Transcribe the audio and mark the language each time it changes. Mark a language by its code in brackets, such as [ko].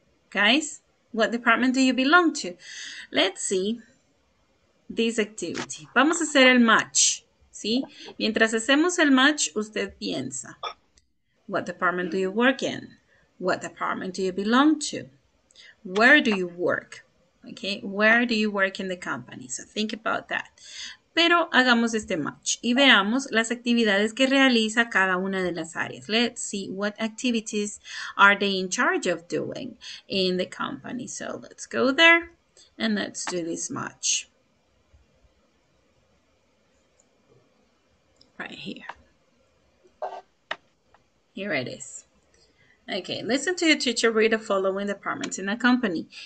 [en] Guys, what department do you belong to? Let's see this activity. [es] Vamos a hacer el match, ¿sí? Mientras hacemos el match, usted piensa. [en] What department do you work in? What department do you belong to? Where do you work? Okay, where do you work in the company? So think about that. [es] Pero hagamos este match y veamos las actividades que realiza cada una de las áreas. [en] Let's see what activities are they in charge of doing in the company. So let's go there and let's do this match. Right here. Here it is. Okay, listen to your teacher read the following departments in a company.